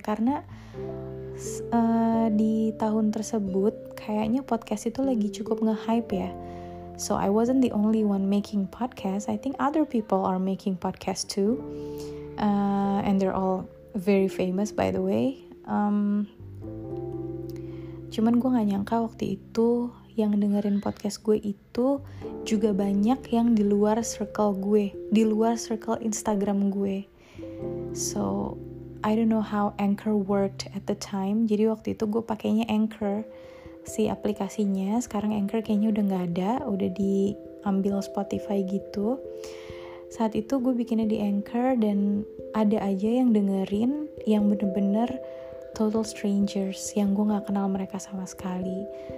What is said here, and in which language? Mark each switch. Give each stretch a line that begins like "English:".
Indonesian: Karena di tahun tersebut kayaknya podcast itu lagi cukup nge-hype ya.
English: So I wasn't the only one making podcast. I think other people are making podcast too, and they're all very famous, by the way.
Indonesian: Cuman gue gak nyangka waktu itu yang dengerin podcast gue itu juga banyak yang di luar circle gue, di luar circle Instagram gue.
English: So I don't know how Anchor worked at the time.
Indonesian: Jadi waktu itu gue pakainya Anchor, si aplikasinya. Sekarang Anchor kayaknya udah gak ada, udah diambil Spotify gitu. Saat itu gue bikinnya di Anchor, dan ada aja yang dengerin yang bener-bener total strangers, yang gue gak kenal mereka sama sekali.